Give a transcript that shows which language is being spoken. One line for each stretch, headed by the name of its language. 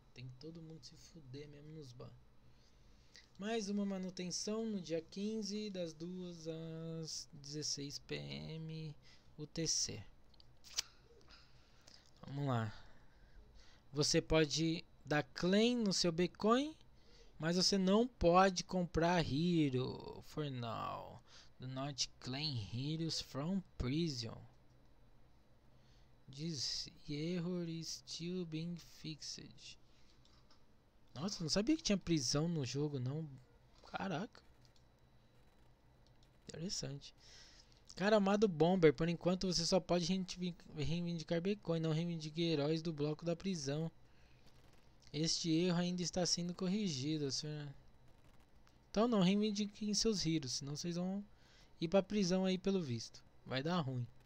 Portuguese: Tem todo mundo se fuder mesmo nos ban. Mais uma manutenção no dia 15, das 2 às 16 PM UTC. Vamos lá. Você pode dar claim no seu Bitcoin, mas você não pode comprar Hero
English: for now. Do not claim Heroes from prison. This error is still being fixed.
Portuguese: Nossa, não sabia que tinha prisão no jogo, não. Caraca. Interessante. Cara amado Bomber, por enquanto você só pode reivindicar Bitcoin, não reivindique heróis do bloco da prisão. Este erro ainda está sendo corrigido, senhor. Então não reivindiquem seus heroes, senão vocês vão ir pra prisão aí pelo visto. Vai dar ruim.